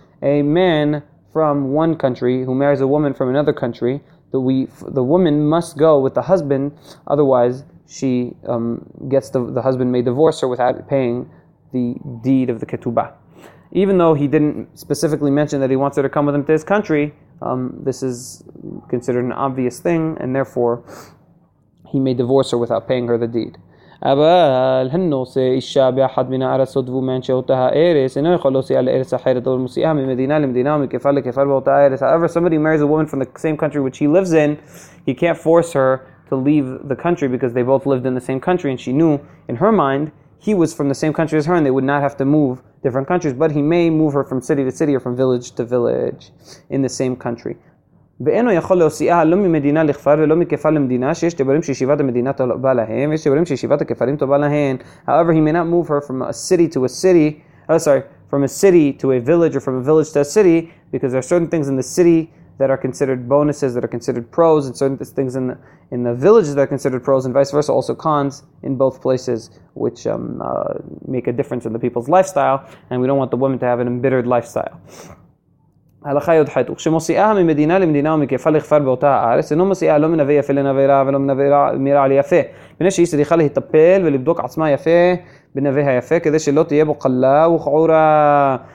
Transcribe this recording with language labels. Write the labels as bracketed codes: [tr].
[en] A man from one country who marries a woman from another country, the woman must go with the husband, otherwise she gets the husband may divorce her without paying the deed of the ketubah. Even though he didn't specifically mention that he wants her to come with him to his country, this is considered an obvious thing, and therefore he may divorce her without paying her the deed. [he] אבל הנושא אישה באחד מן הארצות ומן שאותה הארץ אינו יכול להוציאה לארץ אחרת אבל מוציאה ממדינה למדינה ומכפר לכפר באותה הארץ. [en] However, somebody marries a woman from the same country which he lives in, he can't force her to leave the country because they both lived in the same country and she knew in her mind he was from the same country as her and they would not have to move different countries, but he may move her from city to city or from village to village in the same country. [he] ואינו יכול להוציאה לא ממדינה לכפר ולא מכפר למדינה שיש דברים שישיבת המדינה טובה להם ויש דברים שישיבת הכפרים טובה להן. [en] However, he may not move her from a city to a city, from a city to a village or from a village to a city because there are certain things in the city that are considered bonuses, that are considered pros, and certain things in the villages that are considered pros, and vice versa, also cons in both places, which make a difference in the people's lifestyle, and we don't want the woman to have an embittered lifestyle. [he] הלכה יודחת, וכשמוסיעה ממדינה למדינה ומכפה לכפר באותה הארץ, אינו מוסיעה לא מנווה יפה לנווה רע ולא מנווה מרע ליפה, בני שהיא צריכה להתאפל ולבדוק עצמה יפה בנווה היפה, כדי שלא תהיה בו קלה וחעורה.